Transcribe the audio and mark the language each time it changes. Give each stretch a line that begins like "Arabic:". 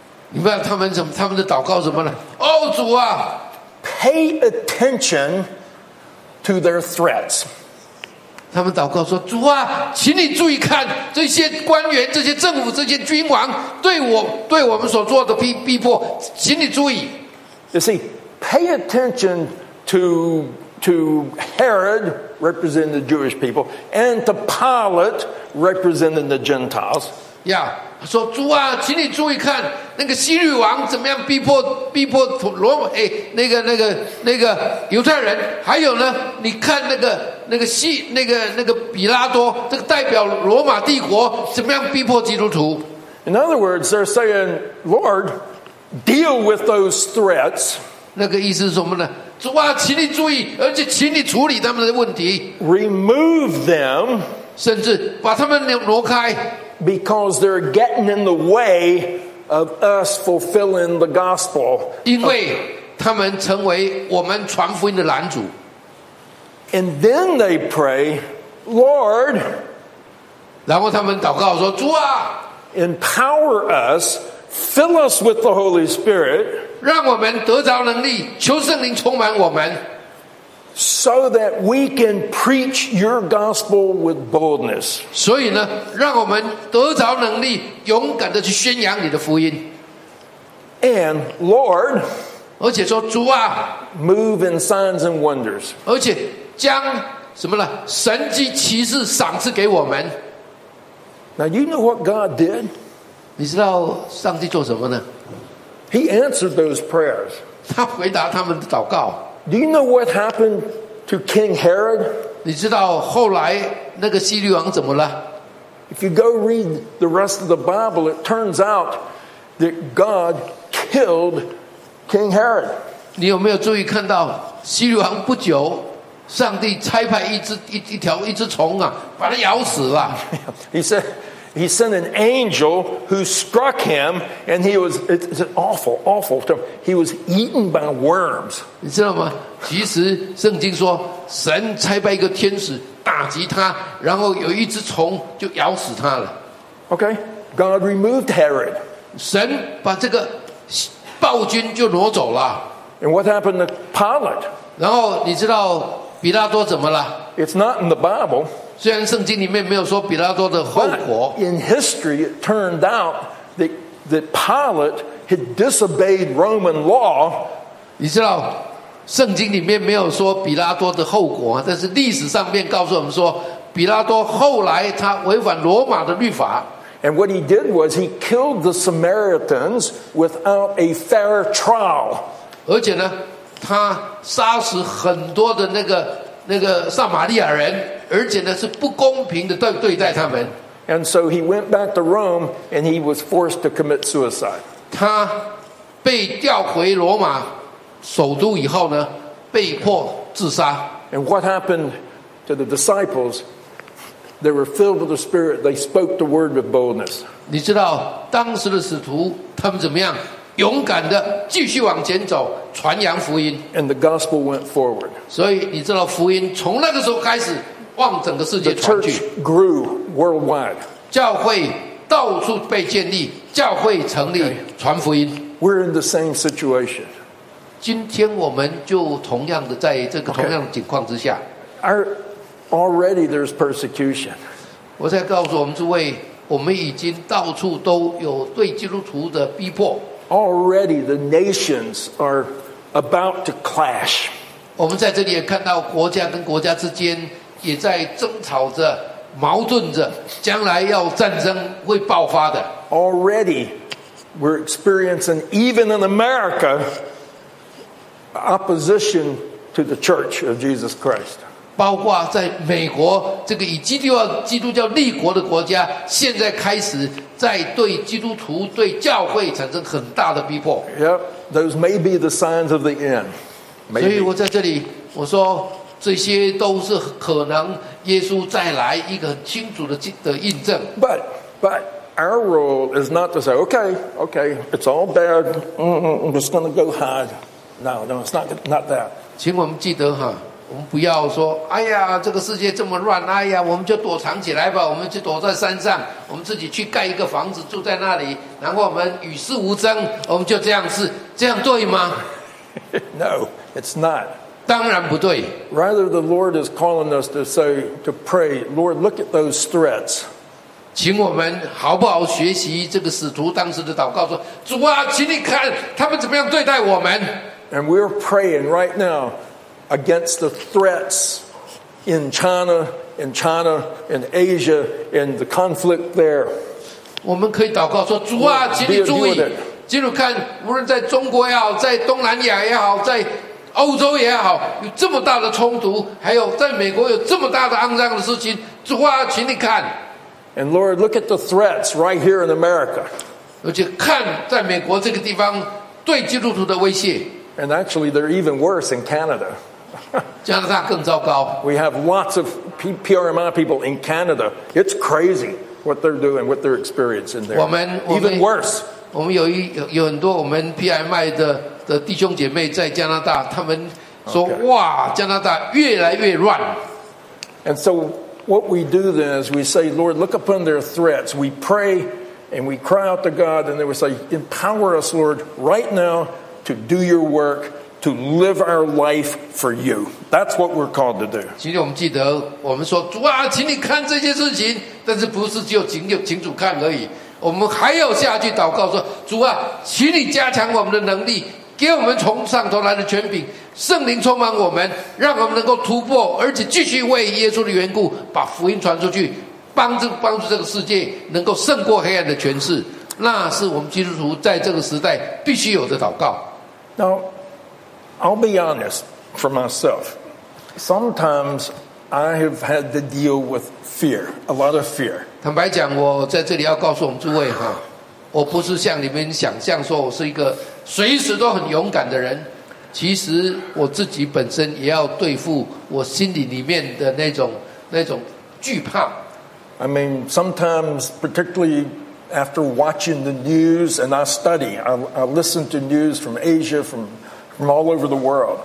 Chinese: 你不知道他们的祷告什么呢？哦，主啊，
English: Pay attention to their threats.
Chinese: 他们祷告说：“主啊，请你注意看这些官员、这些政府、这些君王对我们所做的逼迫，请你注意。
English: ”You see, pay attention to Herod representing the Jewish people and to Pilate representing the Gentiles.
Chinese: Yeah, 说主啊，请你注意看那个希律王怎么样逼迫罗马哎那个犹太人，还有呢，你看那个。那个比拉多，这个代表罗马帝国，怎么样逼迫基督徒
English: ？In other words, they're saying, "Lord, deal with those threats."
Chinese: 那个意思是什么呢？主啊，请你注意，而且请你处理他们的问题。
English: Remove them,
Chinese: 甚至把他们挪开
English: ，because they're getting in the way of us fulfilling the gospel.
Chinese: 因为他们成为我们传福音的拦阻。
English: And then they pray, Lord,
Chinese: 然后他们祷告说，主啊，
English: empower us, fill us with the Holy Spirit,
Chinese: 让我们得着能力，求圣灵充满我们，
English: so that we can preach your gospel with boldness.
Chinese: 所以呢，让我们得着能力，勇敢地去宣扬你的福音。
English: And Lord,
Chinese: 而且说，主啊，
English: move in signs and wonders.
Chinese: 而且将什么呢？神迹奇事赏赐给我们。
English: Now you know what God did.
Chinese: 你知道上帝做什么呢
English: ？He answered those prayers.
Chinese: 他回答他们的祷告。
English: Do you know what happened to King Herod?
Chinese: 你知道后来那个希律王怎么了
English: ？If you go read the rest of the Bible, it turns out that God killed King Herod.
Chinese: 你有没有注意看到希律王不久？上帝差派一只虫啊，把他咬死了。
English: He said, he sent an angel who struck him, and he was it's an awful, awful term. He was eaten by worms.
Chinese: 你知道吗？其实圣经说，神差派一个天使打击他，然后有一只虫就咬死他了。
English: Okay, God removed Herod.
Chinese: 神把这个暴君就挪走了。
English: And what happened to Pilate?
Chinese: 然后你知道。比拉多怎么了
English: ？It's not in the Bible.
Chinese: 虽然圣经里面没有说比拉多的后果。
English: But in history, it turned out that Pilate had disobeyed Roman law.
Chinese: 你知道，圣经里面没有说比拉多的后果，但是历史上面告诉我们说，比拉多后来他违反罗马的律法。
English: And what he did was he killed the Samaritans without a fair trial.
Chinese: 而且呢？他杀死很多的那个撒玛利亚人，而且呢是不公平的对待他们。
English: And so he went back to Rome, and he was forced to commit suicide.
Chinese: 他被调回罗马首都以后呢，被迫自杀。
English: And what happened to the disciples? They were filled with the Spirit. They spoke the word with boldness.
Chinese: 你知道当时的使徒他们怎么样？勇敢的继续往前走，传扬福音。
English: And the gospel went forward.
Chinese: 所以你知道福音从那个时候开始往整个世界传去。
English: The church grew worldwide.
Chinese: 教会到处被建立，教会成立，传福音。
English: We're in the same situation.
Chinese: 今天我们就同样的在这个同样的情况之下。
English: Already there's persecution.
Chinese: 我在告诉我们诸位，我们已经到处都有对基督徒的逼迫。
English: Already the nations are about to clash.
Chinese: 我们在这里也看到国家跟国家之间也在争吵着、矛盾着，将来要战争会爆发的。
English: Already we're experiencing, even in America, opposition to the Church of Jesus Christ.
Chinese: 包括在美国这个以基督教立国的国家，现在开始。在对基督徒、对教会产生很大的逼迫。
English: Yep, those may be the signs of the end. Maybe.
Chinese: 所以我在这里我说，这些都是可能耶稣再来一个很清楚的印证。
English: But our role is not to say, okay, it's all bad. I'm just going to go hide. No, it's not that.
Chinese: 请我们记得哈，我们不要说，哎呀，这个世界这么乱，哎呀，我们就躲藏起来吧，我们就躲在山上，我们自己去盖一个房子住在那里，然后我们与世无争，我们就这样是这样对吗
English: ？No, it's not.
Chinese: 当然不对。
English: Rather, the Lord is calling us to say, to pray, Lord, look at those threats.
Chinese: 请我们好不好学习这个使徒当时的祷告说，主啊，请你看他们怎么样对待我们。
English: And we're praying right now against the threats in China, in China, in Asia, in the conflict there.
Chinese: 我们可以祷告说，主啊，请你注意，进入看，无论在中国也好，在东南亚也好，在欧洲也好，有这么大的冲突，还有在美国有这么大的肮脏的事情，主啊，请你看。
English: And Lord, look at the threats right here in America.
Chinese: 而且看在美国这个地方对基督徒的威胁。
English: And actually, they're even worse in Canada.
Chinese: 加拿大更糟糕。
English: We have lots of PRMI people in Canada. It's crazy what they're doing, what they're experiencing there.
Chinese: 我们
English: even worse.
Chinese: 我们有很多我们 PRMI 的弟兄姐妹在加拿大，他们说、okay. 哇，加拿大越来越乱。
English: And so. What we do then is we say, Lord, look upon their threats. We pray and we cry out to God, and then we say, empower us, Lord, right now to do your work, to live our life for you. That's what we're called to do.
Chinese: 请我们记得，我们说，主啊，请你看这些事情，但是不是只有请主看而已？我们还要下去祷告说，主啊，请你加强我们的能力，给我们从上头来的权柄。圣灵充满我们，让我们能够突破，而且继续为耶稣的缘故把福音传出去，帮助这个世界能够胜过黑暗的权势，那是我们基督徒在这个时代必须有的祷告。
English: Now, I'll be honest for myself. Sometimes I have had to deal with fear, a lot of fear.
Chinese: 坦白讲，我在这里要告诉我们诸位哈，我不是像你们想象说我是一个随时都很勇敢的人，其实我自己本身也要对付我心里面的那种惧怕。
English: I mean, sometimes, particularly after watching the news, and I study, I listen to news from Asia, from all over the world.